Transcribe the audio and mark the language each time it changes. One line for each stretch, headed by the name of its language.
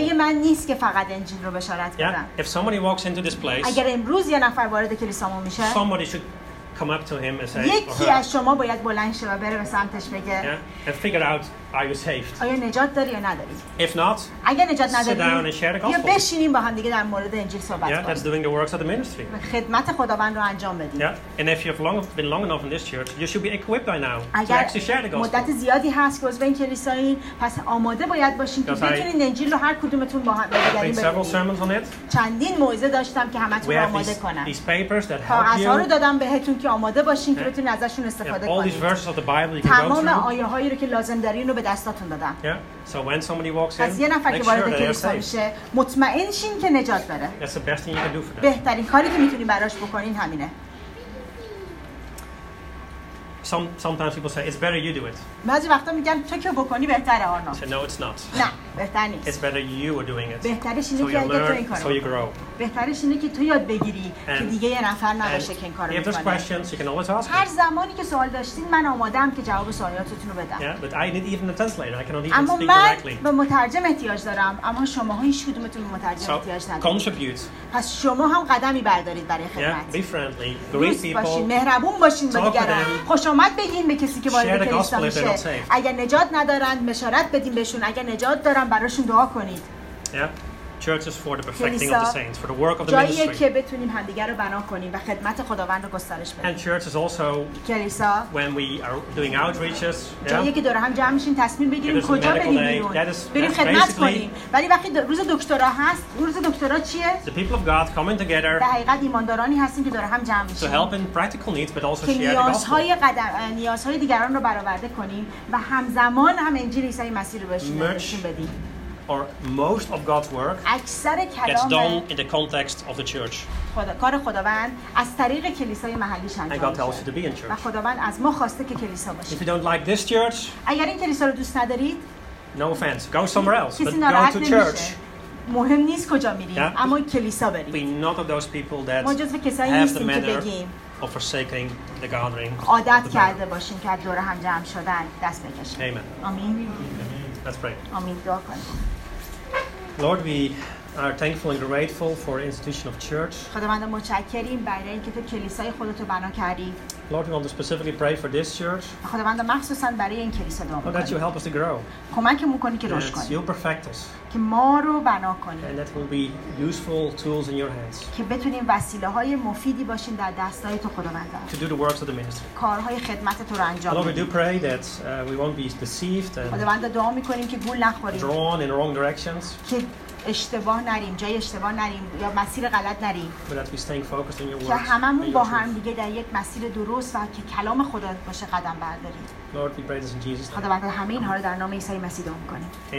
Persian: وظیفه من نیست که فقط انجیل رو بشارت کنم.
English: Yeah. If somebody walks into this place.
Persian: اگر امروز یه نفر وارد کلیسامون میشه.
English: Somebody should come up to him and say,
Persian: یکی از شما باید بلند شه و بره به سمتش بگه.
English: Yeah. And figure out, are you saved?
Persian: آیا نجات داری یا نداری؟
English: If not,
Persian: اگه نجات نداری،
English: sit down and share the gospel.
Persian: یا بشینیم با هم دیگه در مورد انجیل صحبت کنیم.
English: Yeah, that's doing the works of the ministry.
Persian: خدمت خداوند رو انجام بدیم.
English: Yeah. And if you've been long enough in this church, you should be equipped by now to actually share the gospel.
Persian: مدت زیادی هست که عضو این کلیسایی، پس آماده باید باشین که بتونین انجیل رو هر کدومتون با هم دیگه بگین.
English: Several sermons on it.
Persian: چندین موعظه داشتم که همتون آماده کنم.
English: These papers that help you.
Persian: رو دادم بهتون که آماده باشین که بتونین ازشون استفاده کنین.
English: All these verses of the Bible you can go through.
Persian: تمام آیه هایی رو که لازم دارین رو به دستاتون دادم.
English: Yeah. So when somebody walks in,
Persian: پس یه نفر که وارد کلیسا میشه مطمئن شین که نجات داره.
English: That's the best thing you can do for them.
Persian: بهترین کاری که میتونین براش بکنین همینه.
English: Sometimes people say it's better you do it.
Persian: بعضی وقتا میگن تو که بکنی بهتره آرنا.
English: So no, it's not.
Persian: نه بهتر نیست.
English: It's better you are doing it.
Persian: بهترش اینه که تو این کارو.
English: So you grow.
Persian: بهترش اینه که تو یاد بگیری که دیگه یه نفر نباشه که این کارو بکنه.
English: If there's questions, you can always ask.
Persian: هر زمانی که سوال داشتین من آمادم که جواب سوالاتتون رو بدم.
English: Yeah, but I need even a translator. I cannot even speak directly.
Persian: اما من به مترجم احتیاج دارم. اما شما هیچ کدومتون به مترجم احتیاج ندارید.
English: Contribute.
Persian: پس شما هم قدمی بردارید برای خدمت.
English: Yeah, be friendly. Greet people.
Persian: مهربون باشین به دیگران. خوش آمد بگین به کسی که وارد کلیسا میشه. اگر نجات ندارن بشارت بدین بهشون. اگر نجات دارن براشون دعا کنید.
English: Yeah. Church is for the perfecting of the saints, for the work of the ministry.
Persian: جایی که بتونیم همدیگر رو بنا کنیم و خدمت خداوند رو گسترش بدیم.
English: And church is also
Persian: کلیسا.
English: When we are doing outreaches.
Persian: جایی که دور هم جمع میشیم تصمیم بگیریم کجا بریم بریم خدمت کنیم. ولی وقتی روز دکترا هست، روز دکترا چیه؟
English: The people of God coming together.
Persian: در حقیقت ایماندارانی هستیم که دور هم جمع میشیم.
English: To help in practical needs but also share the gospel.
Persian: نیازهای قدم نیازهای دیگران رو برآورده کنیم و همزمان هم انجیل عیسی مسیح رو بهشون بدیم.
English: Or most of God's work gets done in the context of the church.
Persian: کار خداوند از طریق کلیسای محلی انجام میشه. و خداوند از ما خواسته که کلیسا باشه.
English: If you don't like this church,
Persian: اگر این کلیسا رو دوست ندارید,
English: no offense, go somewhere else, but go to church.
Persian: مهم نیست کجا میریم, اما کلیسا برید.
English: We're not of those people that of forsaking the gathering.
Persian: عادت کرده باشین که دور هم جمع شدن دست بکشید.
English: Amen.
Persian: آمین.
English: Let's pray.
Persian: آمین دعا کنیم.
English: Lord, we are thankful and grateful for the institution of church.
Persian: خداوند متشکریم برای اینکه تو کلیسای خودت رو بنا کردی.
English: Lord, we want to specifically pray for this church.
Persian: خداوند مخصوصا برای این کلیسا دعا می‌کنیم.
English: That you help us to grow.
Persian: کمکمون کنی که رشد کنیم.
English: You perfect us.
Persian: که ما رو بنا کنی.
English: And that will be useful tools in your hands.
Persian: که بتونیم وسیله‌های مفیدی باشیم در دستای تو خداوند.
English: To do the works of the ministry.
Persian: کارهای خدمت تو رو انجام بدیم.
English: Lord, we do pray that we won't be deceived.
Persian: خداوند دعا می‌کنیم که گول نخوریم.
English: Drawn in wrong directions.
Persian: که اشتباه نریم، جای اشتباه نریم یا مسیر غلط نریم. که هممون با هم دیگه در یک مسیر درست و که کلام خدا باشه قدم برداریم.
English: Lord, we pray this in Jesus' name.
Persian: خدا بنده همه اینها رو در نام عیسی مسیح دعا می‌کنیم.